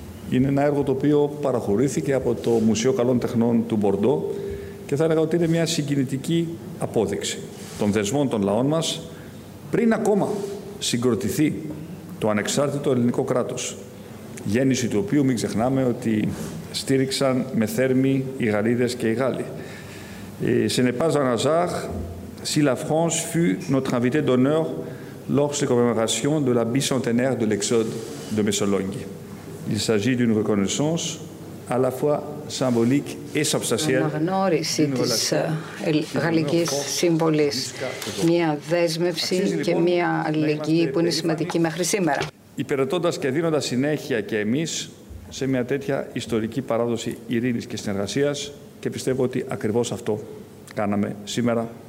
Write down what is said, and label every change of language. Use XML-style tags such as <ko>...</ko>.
<el>Είναι ένα έργο το οποίο παραχωρήθηκε από το Μουσείο Καλών Τεχνών του Μπορντό, και θα έλεγα ότι είναι μια συγκινητική απόδειξη των δεσμών των λαών μας πριν ακόμα συγκροτηθεί το ανεξάρτητο ελληνικό κράτος, γέννηση του οποίου μην ξεχνάμε ότι στήριξαν με θέρμη οι Γαλλίδες και οι Γάλλοι.</el> <fr>«Ce n'est pas un hasard si la France fut notre invité d'honneur lors de la commémoration de la bicentenaire de l'exode de Messologne. Il s'agit d'une reconnaissance à la fois symbolique et substantielle.</fr> <el>Αναγνώριση της γαλλικής συμβολής. Μία δέσμευση και μία αλληλεγγύη που είναι σημαντική μέχρι σήμερα. Υπηρετώντας και δίνοντας συνέχεια και εμείς σε μια τέτοια ιστορική παράδοση ειρήνης και συνεργασίας, και πιστεύω ότι ακριβώς αυτό κάναμε σήμερα.</el>